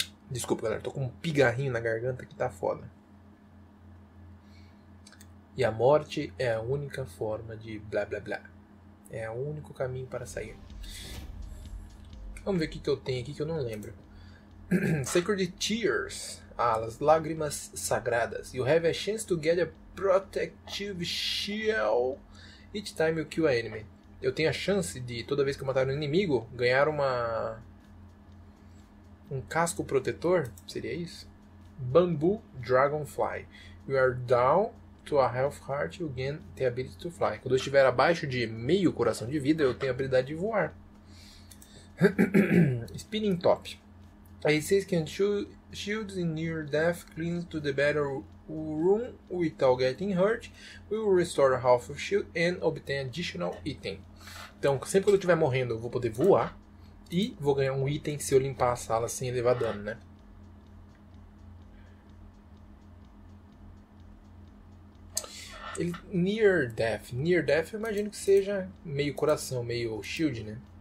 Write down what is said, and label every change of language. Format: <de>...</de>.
<pt>Desculpa, galera, tô com um pigarrinho na garganta que tá foda. E a morte é a única forma de blá blá blá. É o único caminho para sair. Vamos ver o que que eu tenho aqui que eu não lembro. Sacred Tears, as lágrimas sagradas.</pt> <en>You have a chance to get a Protective Shield each time you kill an enemy.</en> <pt>Eu tenho a chance de, toda vez que eu matar um inimigo, ganhar uma. Um casco protetor? Seria isso? Bamboo Dragonfly.</pt> <en>You are down to a half heart, you gain the ability to fly.</en> <pt>Quando eu estiver abaixo de meio coração de vida, eu tenho a habilidade de voar.</pt> <en>Spinning Top. A resistance can shield in near death, cleans to the battle room without getting hurt. We will restore half of shield and obtain additional item.</en> <pt>Então, sempre que eu estiver morrendo, eu vou poder voar e vou ganhar um item se eu limpar a sala sem levar dano, né? Ele,</pt> <en>near death,</en> <pt>eu imagino que seja meio coração, meio shield, né?</pt>